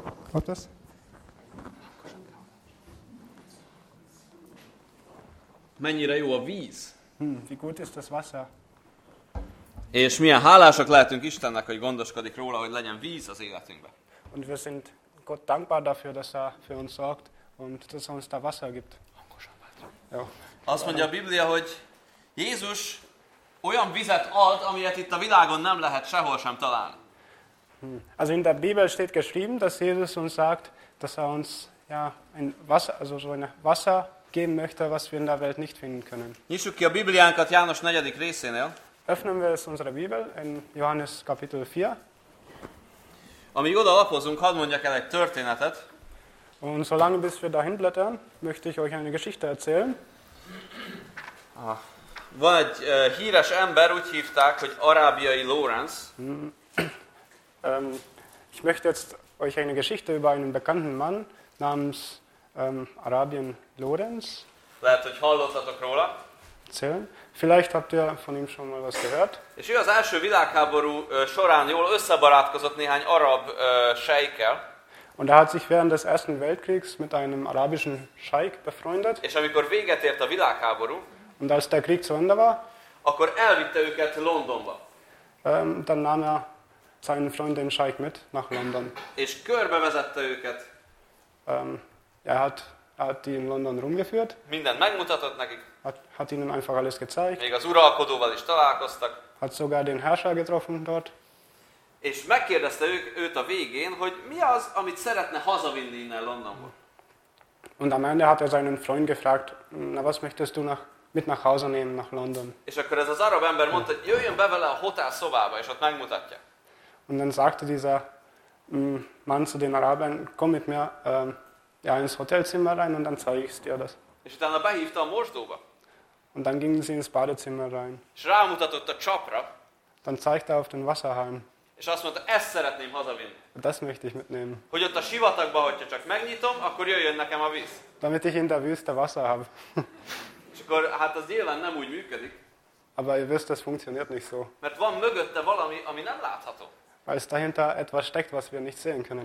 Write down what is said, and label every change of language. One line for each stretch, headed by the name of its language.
Hungarian: Ott lesz. Mennyire jó a víz?
German: Wie gut ist das Wasser?
Hungarian: És milyen hálásak lehetünk Istennek, hogy gondoskodik róla, hogy legyen víz az életünkben.
German: Und wir sind Gott dankbar dafür, dass er für uns sorgt und dass er uns da Wasser gibt.
Hungarian: Jó. Azt mondja a Biblia, hogy Jézus olyan vizet ad, amilyet itt a világon nem lehet sehol sem találni.
German: Also in der Bibel steht geschrieben, dass Jesus uns sagt, dass er uns ja ein Wasser, also so ein Wasser geben möchte, was wir in der Welt nicht finden können.
Hungarian: Nyissuk ki a Bibliánkat János 4. részénél.
German: Öffnen wir es unsere Bibel in Johannes Kapitel 4.
Hungarian: Amíg oda lapozunk, hadd mondjak el egy történetet.
German: Und solange bis wir dahin blättern, möchte ich euch eine Geschichte erzählen.
Hungarian: Van egy híres ember, úgy hívták, hogy Arábiai Lorenz.
German: Ich möchte jetzt euch eine Geschichte über einen bekannten Mann namens Arabian Lorenz.
Hungarian: Lehet, hogy hallottatok róla.
German: Erzählen. Vielleicht habt ihr von ihm schon mal was gehört.
Hungarian: És ő az első világháború során jól összebarátkozott néhány arab sheikkel.
German: Und er hat sich während des Ersten Weltkriegs mit einem arabischen Scheik befreundet.
Hungarian: És amikor véget ért a világháború,
German: und als der Krieg zu Ende war,
Hungarian: akkor elvitte őket Londonba.
German: Dann nahm er seinen Freund den Scheik mit nach London.
Hungarian: És körbevezette őket.
German: Er hat die in London rumgeführt.
Hungarian: Mindent megmutatott nekik.
German: Hat ihnen einfach alles gezeigt.
Hungarian: Még az uralkodóval is találkoztak.
German: Hat sogar den Herrscher getroffen dort.
Hungarian: És megkérdezte őt a végén, hogy mi az, amit szeretne hazavinni innen Londonból.
German: Und am Ende hat er seinen Freund gefragt, na was möchtest du mit nach Hause nehmen nach London.
Hungarian: És akkor ez az arab ember mondta, hogy jöjjön be vele a hotel szobába, és ott megmutatja.
German: Und dann sagte dieser Mann zu den Arabern, komm mit mir ins Hotelzimmer rein und dann zeige ich dir das.
Hungarian: És utána behívta a mosdóba.
German: Und dann gingen sie ins Badezimmer rein.
Hungarian: És rámutatott a csapra.
German: Dann zeigte er auf den Wasserhahn.
Hungarian: És azt mondta, ezt szeretném hazavinni.
German: Das möchte ich mitnehmen.
Hungarian: Hogy ott a sivatagba, hogyha csak megnyitom, akkor jöjjön nekem a víz.
German: Damit ich in der Wüste Wasser habe.
Hungarian: És akkor hát az nyilván nem úgy működik.
German: Aber ihr wisst, das funktioniert nicht so.
Hungarian: Mert van mögötte valami, ami nem látható.
German: Weil es dahinter etwas steckt, was wir nicht sehen können.